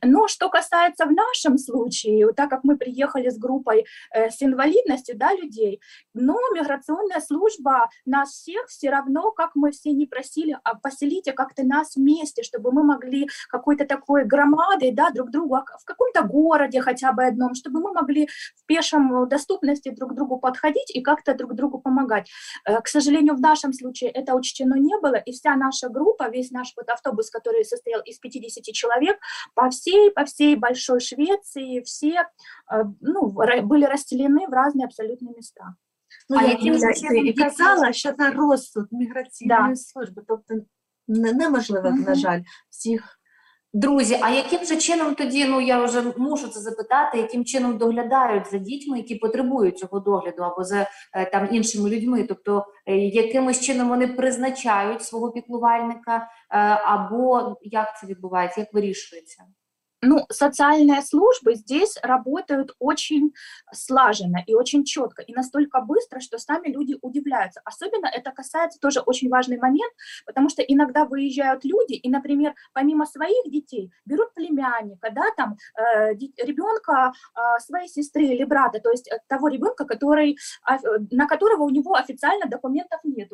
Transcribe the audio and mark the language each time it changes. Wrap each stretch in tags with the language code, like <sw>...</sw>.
<ru>Но что касается в нашем случае, так как мы приехали с группой с инвалидностью, да, людей, но миграционная служба нас всех все равно, как мы все не просили, а поселите как-то нас вместе, чтобы мы могли какой-то такой громадой, да, друг другу в каком-то городе хотя бы одном, чтобы мы могли в пешем доступности друг другу подходить и как-то друг другу помогать. К сожалению, в нашем случае это учтено не было, и вся наша группа, весь наш вот автобус, который который состоял из 50 человек, по всей Большой Швеции все были расселены в разные абсолютно места.</ru> <uk>Ну, я казала, що на розсуд міграційної служби, тобто неможливо, на жаль, всіх. Друзі, а яким же чином тоді, я вже мушу це запитати, яким чином доглядають за дітьми, які потребують цього догляду, або за там іншими людьми, тобто якимось чином вони призначають свого піклувальника, або як це відбувається, як вирішується?</uk> <ru>Ну, социальные службы здесь работают очень слаженно и очень четко, и настолько быстро, что сами люди удивляются. Особенно это касается тоже очень важный момент, потому что иногда выезжают люди, и, например, помимо своих детей берут племянника, да, там, ребенка своей сестры или брата, то есть того ребенка, на которого у него официально документов нет.</ru>